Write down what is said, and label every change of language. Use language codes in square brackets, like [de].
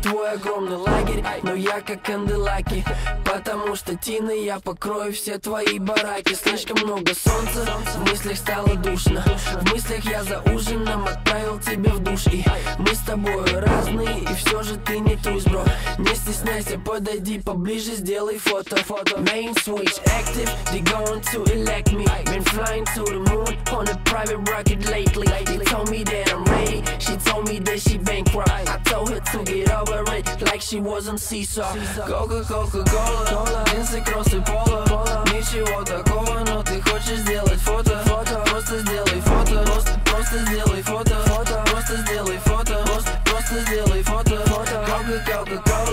[ru] Твой огромный лагерь, но я как Кандилаки. Потому что тины я покрою все твои бараки. Слишком много солнца, в мыслях стало душно. В мыслях я за ужином отправил тебя в душ. И мы с тобой разные, и все же ты не трусь, бро. Не стесняйся, подойди поближе, сделай фото. [en] Main switch active, they going to elect me. Been flying to the moon on a private rocket lately. They told me that I'm ready, she told me that she bankrupt. I told her to get over it, like she was on Seesaw. [ru] Coca, Coca, Cola, Cola, Vince Cross и Пола. Ничего такого, но ты хочешь сделать фото. Фото, просто сделай фото. Просто сделай фото. Фото, просто сделай фото. Просто сделай фото. Coca, Coca, Cola.